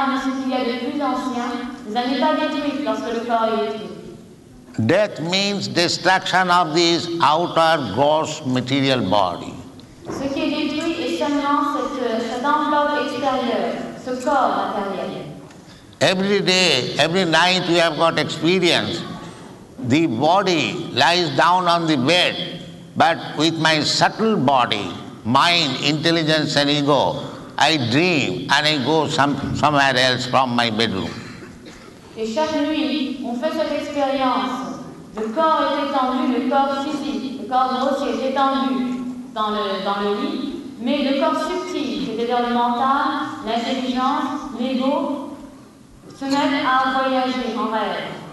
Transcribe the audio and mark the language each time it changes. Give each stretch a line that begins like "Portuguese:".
French: L'âme est éternelle, ce qu'il y a de plus ancien, vous n'allez pas détruire lorsque le corps est détruit.
English: Death means destruction of this outer gross material body.
French: Ce qui est détruit est seulement cette enveloppe extérieure, ce corps matériel.
English: Every day, every night we have got experience. The body lies down on the bed, but with my subtle body, mind, intelligence and ego, I dream and I go somewhere else from my bedroom.
French: Et chaque nuit, on fait cette expérience. Le corps est étendu, le corps physique, le corps grossier est étendu dans le lit, mais le corps subtil, c'est-à-dire le mental, l'intelligence, l'ego, se met à voyager en rêve.